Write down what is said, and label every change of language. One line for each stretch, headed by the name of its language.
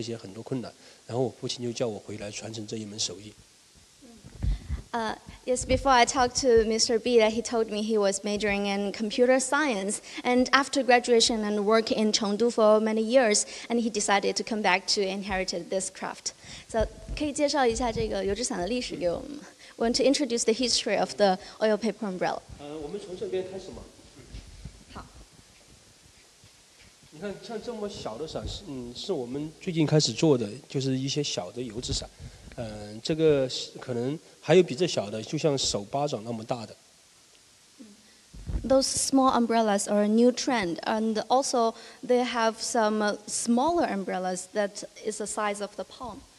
Chinese: 我是油纸伞传统制作技艺第七代传承人，我叫毕元生，欢迎你们。好，李氏从什么时候开始学油纸伞？我是从小就跟着我的父亲、跟着我的爷爷奶奶在做，但是呢，我正式的开始做是从我大学毕业以后，因为当时我们这个油纸伞传统制作技艺被评为了国家级非物质文化遗产以后，因为当时面临着很多困难，后继发人啊这些很多困难，然后我父亲就叫我回来传承这一门手艺。
English: Yes, before I talked to Mr. B, that he told me he was majoring in computer science, and after graduation and work in Chengdu for many years, and he decided to come back to inherit this craft.
Chinese: So, 可以介绍一下这个油纸伞的历史给我们吗？
English: Want to introduce the history of the oil paper umbrella?
Chinese: 我们从这边开始吗？好。你看，像这么小的伞，是我们最近开始做的，就是一些小的油纸伞。这个可能还有比这小的，就像手巴掌那么大的。
English: Those small umbrellas are a new trend, and also they have some smaller umbrellas that is the size of the palm.